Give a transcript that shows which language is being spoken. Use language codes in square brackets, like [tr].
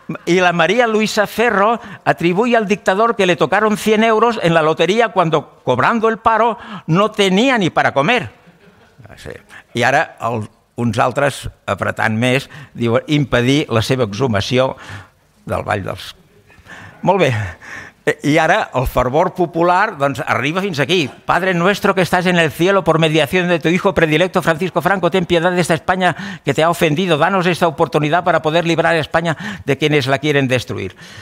[ca] I la [es] María Luisa Ferro atribuye al dictador que le tocaron 100 euros en la lotería cuando, cobrando el paro, no tenía ni para comer. Sí. [ca] I ara uns altres, apretant més, diuen impedir la seva exhumació del Vall dels... Molt bé, I ara el fervor popular doncs arriba fins aquí. [es] Padre nuestro que estás en el cielo por mediación de tu hijo predilecto Francisco Franco, ten piedad de esta España que te ha ofendido. Danos esta oportunidad para poder librar a España de quienes la quieren destruir.